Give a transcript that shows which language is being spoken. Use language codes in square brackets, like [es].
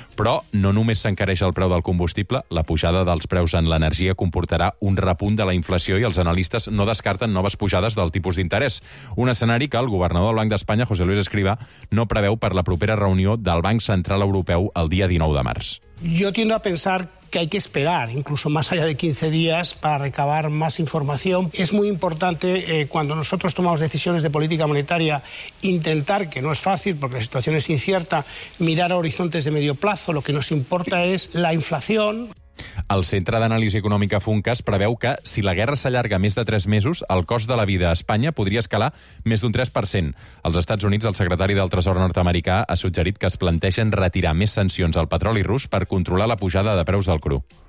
[ca] Però no només s'encareix el preu del combustible, la pujada dels preus en l'energia comportarà un repunt de la inflació i els analistes no descarten noves pujades del tipus d'interès. Un escenari que el governador del Banc d'Espanya, José Luis Escrivá, no preveu per la propera reunió del Banc Central Europeu el dia 19 de març. [es] Yo tiendo a pensar que hay que esperar, incluso más allá de 15 días, para recabar más información. Es muy importante, cuando nosotros tomamos decisiones de política monetaria, intentar, que no es fácil porque la situación es incierta, mirar a horizontes de medio plazo. Lo que nos importa es la inflación. [ca] El Centre d'Anàlisi Econòmica Funcas preveu que, si la guerra s'allarga més de 3 mesos, el cost de la vida a Espanya podria escalar més d'un 3%. Als Estats Units, el secretari del Tresor nord-americà ha suggerit que es plantegen retirar més sancions al petroli rus per controlar la pujada de preus del cru.